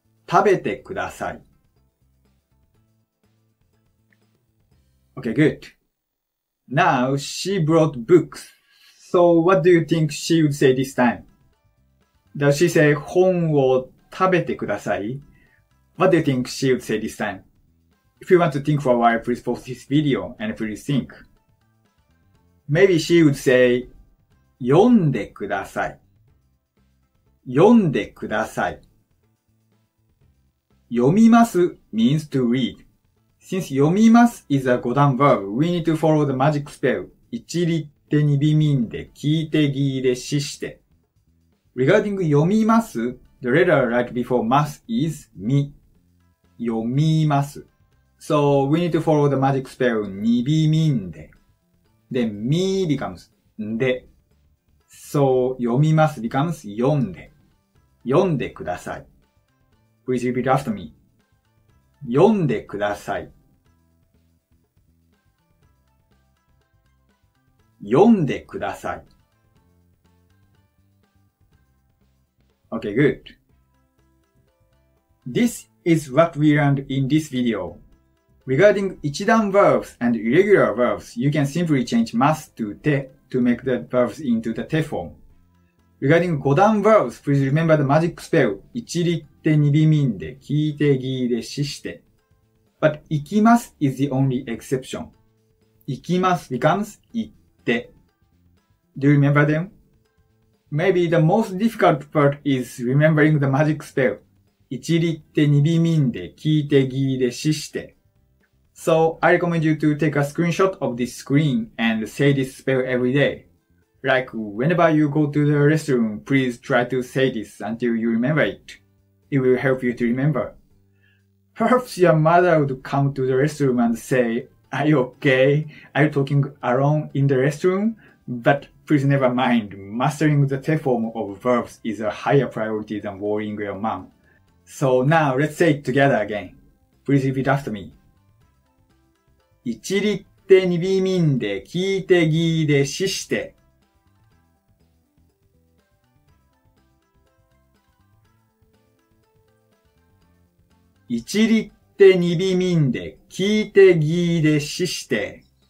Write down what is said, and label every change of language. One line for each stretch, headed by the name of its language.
Japanese: 食べてください。
English: Okay, good. Now, she brought books. So, what do you think she would say this time? Does she say,
Japanese: 本を食べてください?
English: What do you think she would say this time? If you want to think for a while, please pause this video and please think. Maybe she would say,
Japanese: 読んでください。読んでください。
English: 読みます means to read. Since 読みます is a 五段 verb, we need to follow the magic spell.
Japanese: 一リッテにびみんで、聞いてぎいれしして。
English: Regarding 読みます, the letter right before ます is み。
Japanese: 読みます。
English: So we need to follow the magic spell にびみんで。 Then み becomes んで。 So 読みます becomes 読んで。
Japanese: 読んでください。
English: Please repeat after me.
Japanese: 読んでください。読んでください。
English: Okay, good. This is what we learned in this video. Regarding 一段 verbs and irregular verbs, you can simply change must to te to make the verbs into the te form. Regarding 五段 verbs, please remember the magic spell.
Japanese: 一りって二びみんで聞いてぎいでしして。
English: But 行きます is the only exception. 行きます becomes 行って。 Do you remember them? Maybe the most difficult part is remembering the magic spell.
Japanese: 一りって二びみんで聞いてぎいでしして。
English: So, I recommend you to take a screenshot of this screen and say this spell every day. Like, whenever you go to the restroom, please try to say this until you remember it. It will help you to remember. Perhaps your mother would come to the restroom and say, Are you okay? Are you talking alone in the restroom? But,Please never mind, mastering the te form of verbs is a higher priority than worrying your mom. So now, let's say it together again. Please repeat after me.
Japanese: 一りって二びみんで聞いてぎいでしして。一りって二びみんで聞いてぎいでしして。